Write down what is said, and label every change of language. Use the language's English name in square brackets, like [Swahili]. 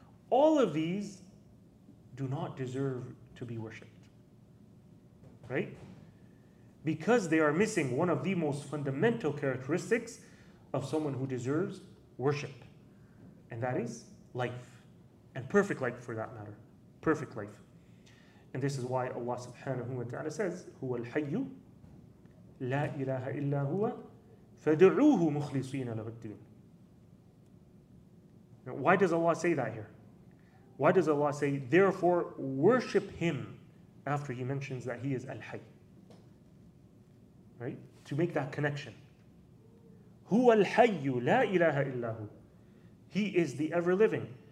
[English] All of these do not deserve to be worshipped, right? Because they are missing one of the most fundamental characteristics of someone who deserves worship. And that is life. And perfect life for that matter. Perfect life. And this is why Allah subhanahu wa ta'ala says, [Arabic] هو الحي لا إله إلا هو فدعوه مخلصين له الدين. [English] Now, why does Allah say that here? Why does Allah say, therefore worship Him, after He mentions that He is Al-Hayy? Right? To make that connection. [Arabic] هو الحي لا إله إلا هو. [English] He is the ever-living.